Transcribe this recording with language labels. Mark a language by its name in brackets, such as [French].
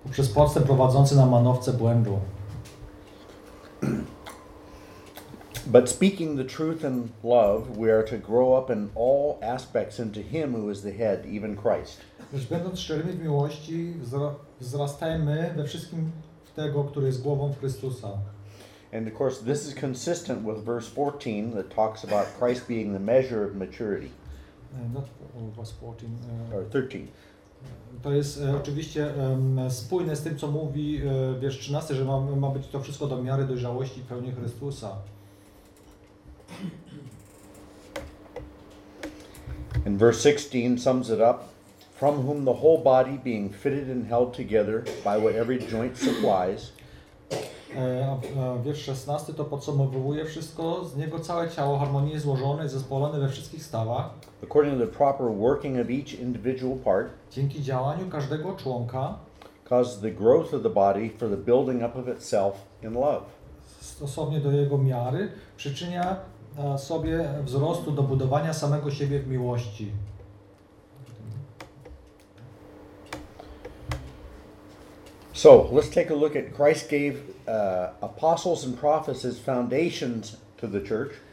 [Polish] Przez podstęp prowadzący na manowce błędu. [English] But speaking the truth in love, we are to grow up in all aspects into him who is the head, even Christ. [Polish] Lecz będąc szczerymi w miłości, wzrastajmy we wszystkim w tego, który jest głową w Chrystusa. [English] And of course, this is consistent with verse 14 that talks about Christ being the measure of maturity. Not verse 14. Or 13. [Polish] To jest oczywiście spójne z tym, co mówi wiersz 13, że ma być to wszystko do miary dojrzałości i pełni Chrystusa. [English] And verse 16 sums it up. From whom the whole body being fitted and held together by what every joint supplies. [Polish] Wiersz 16 to podsumowuje wszystko. Z niego całe ciało harmonii złożone i zespolone we wszystkich stawach. [English] According to the proper working of each individual part. [Polish] Dzięki działaniu każdego członka. [English] Causes the growth of the body for the building up of itself in love. [Polish] Stosownie do jego miary przyczynia sobie wzrostu do budowania samego siebie w miłości. [English] So, let's take a look at Christ gave apostles and prophets as foundations to the church.